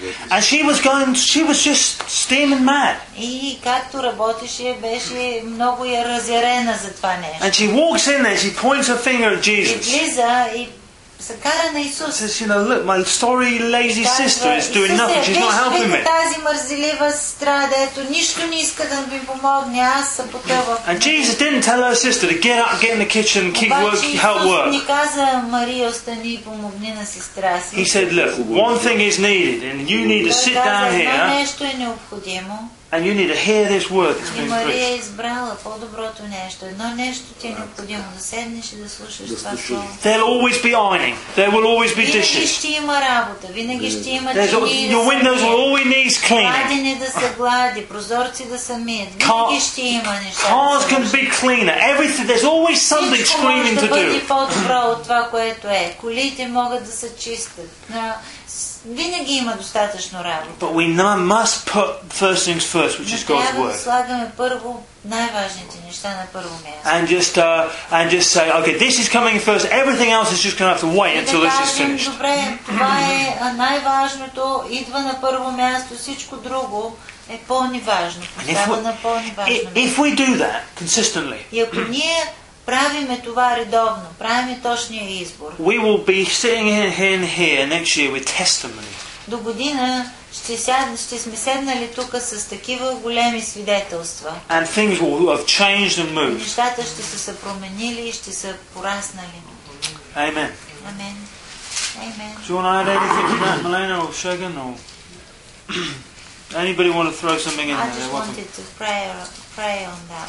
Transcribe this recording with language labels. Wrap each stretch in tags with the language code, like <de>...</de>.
<en>And she was just steaming mad.</en> <bg>И както работеше, беше много я разярена за това нещо.</bg> <en>And she walks in there, she points her finger at Jesus. Says, you know, look, my sorry lazy sister is doing nothing. She's not helping me.</en> <bg>Тази мързелива сестра, дето нищо не иска да ми помогне, аз съм потъва.</bg> <en>And Jesus didn't tell her sister to get up, get in the kitchen, keep work, help work.</en> <bg>Не каза Мария, остани и помогни на сестра си.</bg> <en>He said, look, one thing is needed, and you need to sit down here.</en> <bg>Нещо е необходимо.</bg> <en>And you need to hear this word.</en> <bg>И Мария избрала по-доброто нещо. Едно нещо ти е необходимо. Да седнеш и да слушаш това слово.</bg> <en>There'll always be ironing. There will always be dishes.</en> <bg>Винаги ще има работа. Винаги ще има чини.</bg> <en>Your windows will always need cleaning.</en> <bg>Кладене да се глади. Прозорци да се мият. Винаги ще има неща.</bg> <en>Cars can be cleaner. Everything. There's always something screaming to do.</en> <bg>Всичко може да бъде по-добро от това, което е. Колите могат да се чистят. Винаги има достатъчно работа.</bg> <en>But we now must put first things first, which is God's word.</en> <bg>Слагаме първо най-важните неща на първо място.</bg> <en>And just say, okay, this is coming first. Everything else is just going to have to wait until this is finished.</en> <bg>Добре, това е най-важното, идва на първо място, всичко друго е по-неважно.</bg> <en>If we do that consistently.</en> <bg>Правиме това редовно, правиме точния избор.</bg> <en>We will be sitting in here next year with testimony.</en> <bg>До година ще сме седнали тук с такива големи свидетелства.</bg> <en>And things will have changed and moved.</en> <bg>Нещата ще са се променили и ще са пораснали.</bg> <en>Amen. Amen. Amen. Do you want to add anything to that, Milena or Shagan or anybody want to throw something in there? I just wanted to pray on that.</en>